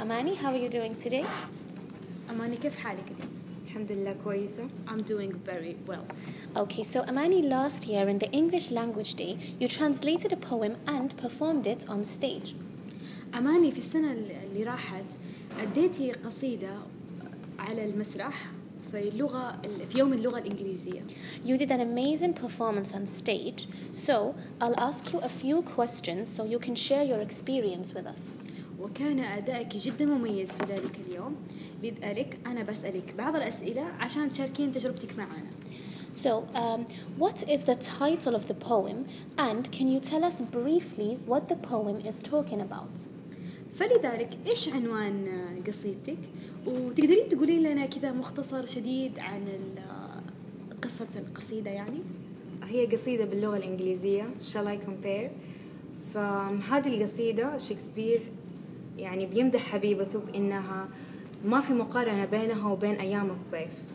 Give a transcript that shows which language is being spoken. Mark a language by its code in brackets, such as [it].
[en] Amani, how are you doing today? [ar] Amani, kif halik? Alhamdulillah, kwayisa. [en] I'm doing very well. Okay, so Amani, last year in the English Language Day, you translated a poem and performed it on stage. [ar] Amani, في السنة اللي راحت أديتي قصيدة على المسرح في يوم اللغة الإنجليزية. [en] You did an amazing performance on stage. So, I'll ask you a few questions so you can share your experience with us. [ar] وكان أدائك جدا مميز في ذلك اليوم. لذلك أنا بسألك بعض الأسئلة عشان تشاركين تجربتك معنا. [en] So, what is the title of the poem and can you tell us briefly what the poem is talking about? [ar] فلذلك إيش عنوان قصيدتك؟ وتقدرين تقولين لنا كذا مختصر شديد عن قصة القصيدة يعني؟ هي قصيدة باللغة الإنجليزية Shall I compare؟ فهذه القصيدة شكسبير يعني بيمدح حبيبته بإنها ما في مقارنة بينها وبين أيام الصيف.